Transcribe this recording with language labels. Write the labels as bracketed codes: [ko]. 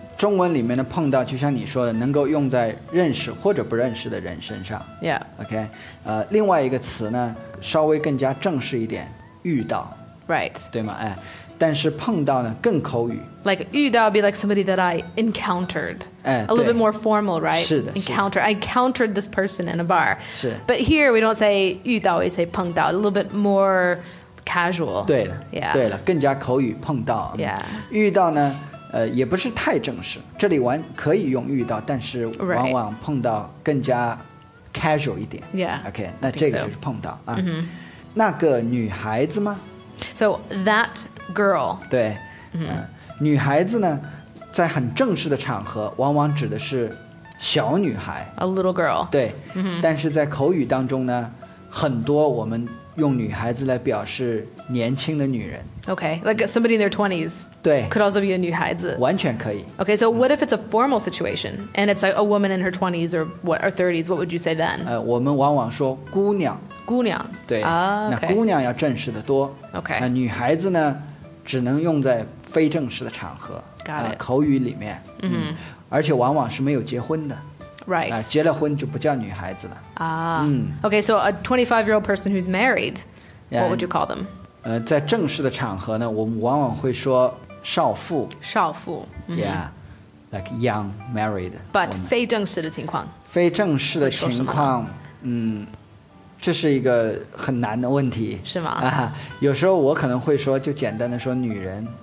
[zh] 中文里面的碰到就像你说的能够用在认识或者不认识的人身上。 [en] Yeah. [zh] Okay.、另外一个词呢稍微更加正式一点遇到。 [en] Right. [zh] 对吗、但是碰到呢更口语。 [en] Like 遇到 would be like somebody that I encountered. A little bit more formal, right? [zh] 是的, [en] Encounter. [zh] 是的。 [en] I encountered this person in a bar. [zh] 是。 [en] But here we don't say 遇到, we say 碰到, a little bit more casual. [zh] 对了, [en] yeah. [zh] 对了, 更加口语碰到。 [en] Yeah. [zh] 遇到呢, 也不是太正式。这里完可以用遇到, 但是往往碰到更加 casual 一点。 [en] Yeah. [zh] Okay, 那这个就是碰到。 Mm-hmm. 那个女孩子吗? [en] So that girl. [zh] 对。 Mm-hmm. 女孩子呢? 在很正式的场合往往指的是小女孩 [en] A little girl [zh] 对、 mm-hmm. 但是在口语当中呢很多我们用女孩子来表示年轻的女人 [en] Okay, like somebody in their 20s [zh] 对 [en] Could also be a 女孩子 [zh] 完全可以 [en] Okay, so what if it's a formal situation And it's like a woman in her 20s or, what, or 30s What would you say then?、 [zh] 我们往往说姑娘姑娘对、 [en] okay. [zh] 那姑娘要正式的多 [en] Okay [zh] 那女孩子呢只能用在非正式的场合口语里面、 mm-hmm. 而且往往是没有结婚的 [en] right、 [zh] 结了婚就不叫女孩子了、 [en] okay so a 25 year old person who's married what would you call them [zh] 在正式的场合呢我们往往会说少妇、 mm-hmm. [en] yeah like young married [zh] but 非正式的情况非正式的情况这是一个很难的问题是吗、有时候我可能会说就简单的说女人